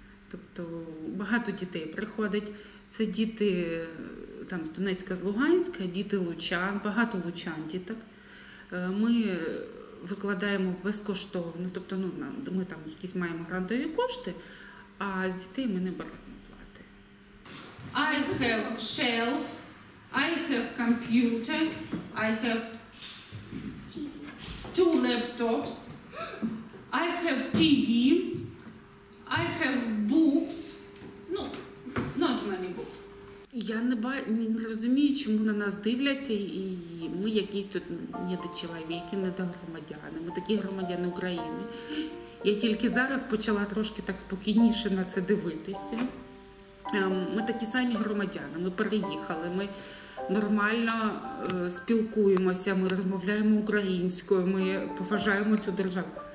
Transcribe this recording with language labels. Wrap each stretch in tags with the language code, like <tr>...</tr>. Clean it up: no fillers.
<uk>Тобто багато дітей приходить. Це діти там, з Донецька, з Луганська, діти лучан, багато лучан діток. Ми викладаємо безкоштовно, тобто ну, ми там якісь маємо грантові кошти, а з дітей ми не беремо плати.</uk> <en>I have shelf, I have computer, I have two laptops, I have TV, I have books, no, not many books.</en> <uk>Я не розумію, чому на нас дивляться, і ми якісь тут недочоловіки, недогромадяни. Ми такі громадяни України. Я тільки зараз почала трошки так спокійніше на це дивитися. Ми такі самі громадяни, ми переїхали, ми нормально спілкуємося, ми розмовляємо українською, ми поважаємо цю державу.</uk>